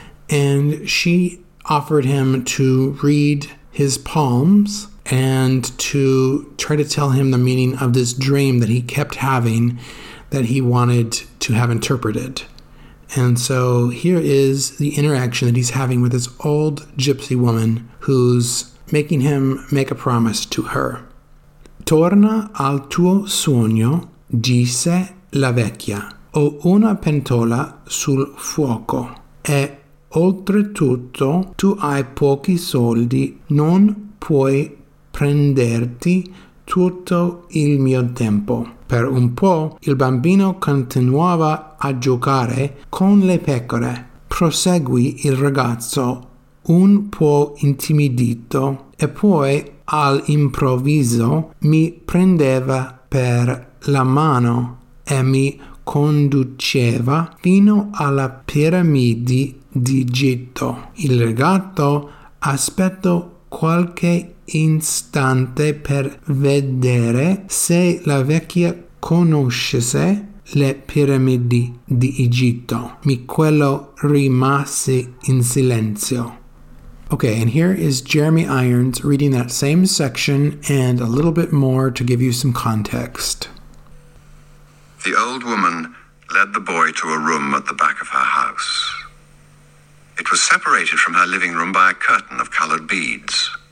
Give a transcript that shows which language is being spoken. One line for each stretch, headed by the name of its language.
English: And she offered him to read his palms and to try to tell him the meaning of this dream that he kept having that he wanted to have interpreted. And so here is the interaction that he's having with this old gypsy woman who's making him make a promise to her.
Italian: Torna al tuo sogno, disse la vecchia, o una pentola sul fuoco, e oltretutto tu hai pochi soldi, non puoi prenderti tutto il mio tempo. Per un po' il bambino continuava a giocare con le pecore. Proseguì il ragazzo, un po' intimidito, e poi all'improvviso mi prendeva per la mano e mi conduceva fino alla piramide di Egitto. Il ragazzo aspettò qualche istante per vedere se la vecchia conoscesse le piramidi di Egitto. Mi quello rimase in silenzio.
English: Okay, and here is Jeremy Irons reading that same section and a little bit more to give you some context. The old woman led the boy to a room at the back of her house. It was separated from her living room by a curtain of colored beads.